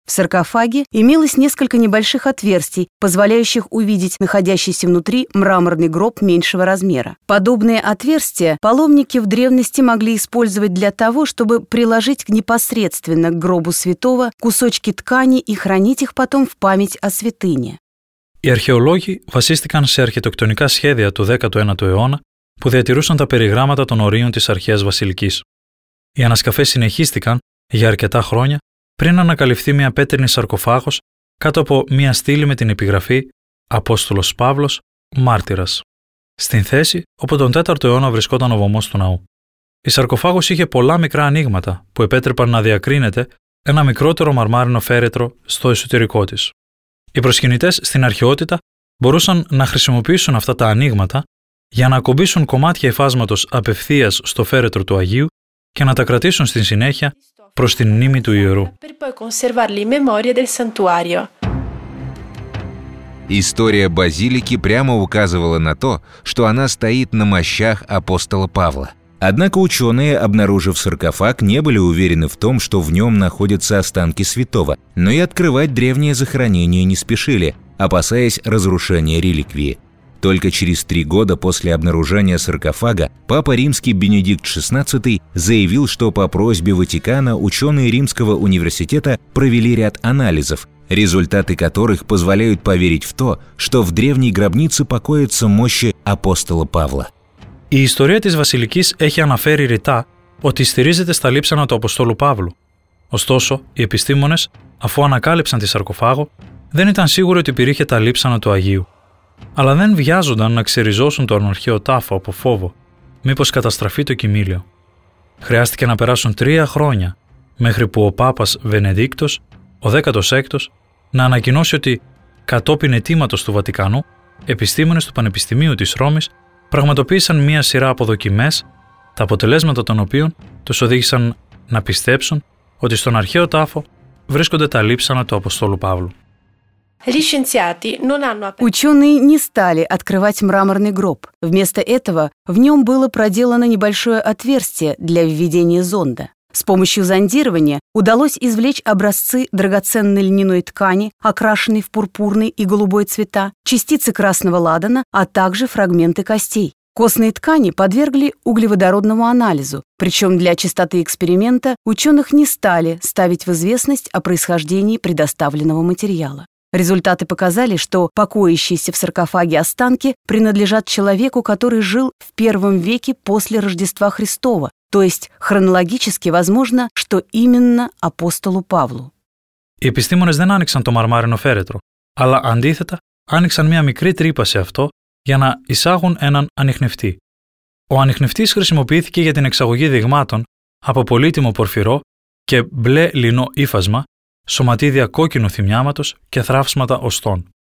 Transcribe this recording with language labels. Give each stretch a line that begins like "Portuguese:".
Russian: В саркофаге имелось несколько небольших отверстий, позволяющих увидеть находящийся внутри мраморный гроб меньшего размера. Подобные отверстия паломники в древности могли использовать для того, чтобы приложить непосредственно к гробу святого кусочки ткани и хранить их потом в память о святыне.
Greek: Οι археολόγοι βασίστηκαν σε αρχιτεκτονικά σχέδια του 19ου αιώνα που διατηρούσαν τα περιγράμματα των ορίων της αρχαίας βασιλικής. Οι ανασκαφές συνεχίστηκαν για αρκετά χρόνια πριν ανακαλυφθεί μια πέτρινη σαρκοφάγος κάτω από μια στήλη με την επιγραφή «Απόστολος Παύλος, μάρτυρας», στην θέση όπου τον 4ο αιώνα βρισκόταν ο βωμός του ναού. Η σαρκοφάγος είχε πολλά μικρά ανοίγματα που επέτρεπαν να διακρίνεται ένα μικρότερο μαρμάρινο φέρετρο στο εσωτερικό της. Οι προσκυνητές στην αρχαιότητα μπορούσαν να χρησιμοποιήσουν αυτά τα ανοίγματα για να ακουμπήσουν κομμάτια υφάσματος απευθείας στο φέρετρο του Αγίου και να τα κρατήσουν στη συνέχεια προς την μνήμη του ιερού.
Italian: Per poi conservarli in memoria del santuario.
Russian: История базилики прямо указывала на то, что она стоит на мощах апостола Павла. Однако ученые, обнаружив саркофаг, не были уверены в том, что в нем находятся останки святого, но и открывать древнее захоронение не спешили, опасаясь разрушения реликвии. Только через 3 года после обнаружения саркофага папа римский Бенедикт XVI заявил, что по просьбе Ватикана ученые Римского университета провели ряд анализов, результаты которых позволяют поверить в то, что в древней гробнице покоятся мощи апостола Павла.
Greek: Η ιστορία της Βασιλικής έχει αναφέρει ρητά ότι στηρίζεται στα λείψανα του Αποστόλου Παύλου. Ωστόσο, οι επιστήμονες, αφού ανακάλυψαν τη σαρκοφάγο, δεν ήταν σίγουροι ότι υπήρχε τα λείψανα του Αγίου. Αλλά δεν βιάζονταν να ξεριζώσουν τον αρχαίο τάφο από φόβο, μήπως καταστραφεί το κειμήλιο. Χρειάστηκε να περάσουν 3 χρόνια, μέχρι που ο Πάπας Βενεδίκτος, ο 16ος, να ανακοινώσει ότι, κατόπιν αιτήματος του Βατικανού, επιστήμονες του Πανεπιστημίου της Ρώμης πραγματοποίησαν μία σειρά αποδοκιμές, τα αποτελέσματα των οποίων τους οδήγησαν να πιστέψουν ότι στον αρχαίο τάφο βρίσκονται τα λείψανα του Αποστόλου Παύλου.
Russian: Ученые не стали открывать мраморный гроб. Вместо этого в нем было проделано небольшое отверстие для введения зонда. С помощью зондирования удалось извлечь образцы драгоценной льняной ткани, окрашенной в пурпурный и голубой цвета, частицы красного ладана, а также фрагменты костей. Костные ткани подвергли углеводородному анализу, причем для чистоты эксперимента ученых не стали ставить в известность о происхождении предоставленного материала. Результаты показали, что покоящиеся в саркофаге останки принадлежат человеку, который жил в 1 веке после Рождества Христова, то есть хронологически возможно, что именно апостолу Павлу.
Greek: Οι επιστήμονες δεν άνοιξαν το μαρμάρινο φέρετρο, αλλά αντίθετα άνοιξαν μια μικρή τρύπα σε αυτό για να εισάγουν έναν ανιχνευτή. Ο ανιχνευτής χρησιμοποιήθηκε για την εξαγωγή δειγμάτων από πολύτιμο πορφυρό και μπλε λινό ύφασμα, σωματίδια κόκκινου θυμιάματος και θράψματα οστών.